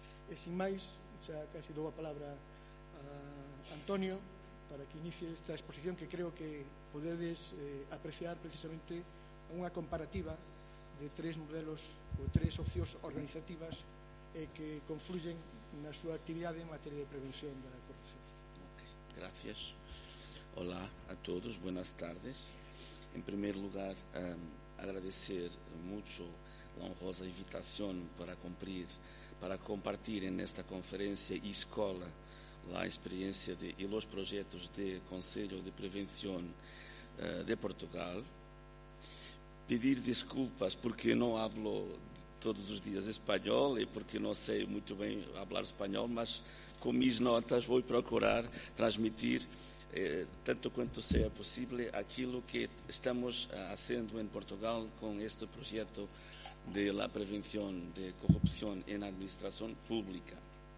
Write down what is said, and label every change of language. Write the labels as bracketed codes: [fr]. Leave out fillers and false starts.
[gl] E sin máis, xa casi dou a palabra a Antonio para que inicie esta exposición, que creo que podedes apreciar precisamente unha comparativa de tres modelos ou tres opcións organizativas que confluyen na súa actividade en materia de prevención da corrupción. [es] Okay, gracias. [pt] Olá a todos, [es] buenas tardes. En primer lugar, agradecer mucho la honrosa invitación para compartir en esta conferencia y escola la experiencia y los proyectos de Consejo de Prevención de Portugal. Pedir disculpas porque no hablo [pt] todos os días español e porque non sei muito bem [es] hablar español, [pt] mas com mis notas vou procurar transmitir tanto quanto seja possível aquilo que estamos fazendo em Portugal com este projeto de la prevenção de corrupção em administração pública.